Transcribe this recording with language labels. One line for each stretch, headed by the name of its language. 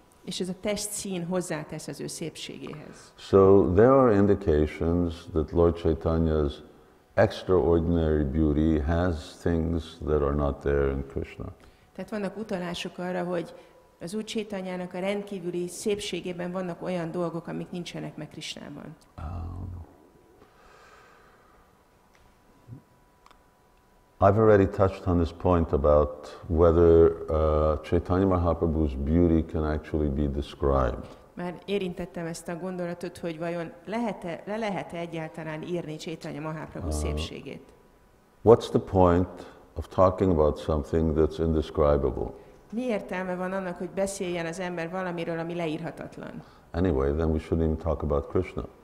Hungarian: És ez a testszín hozzátesz az ő szépségéhez.
English: So there are indications that Lord Chaitanya's extraordinary beauty has things that are not there in Krishna.
Hungarian: Tehát vannak utalások arra, hogy az Úr Chaitanyának a rendkívüli szépségében vannak olyan dolgok, amik nincsenek meg Krishnában.
English: I've already touched on this point about whether Chaitanya Mahaprabhu's beauty can actually be described.
Hungarian: Már érintettem ezt a gondolatot, hogy vajon lehet-e egyáltalán írni Chaitanya Mahaprabhu szépségét.
English: What's the point of talking about something that's indescribable?
Hungarian: Mi értelme van annak, hogy beszéljen az ember valamiről, ami leírhatatlan?
English: Anyway, then we shouldn't even talk about Krishna.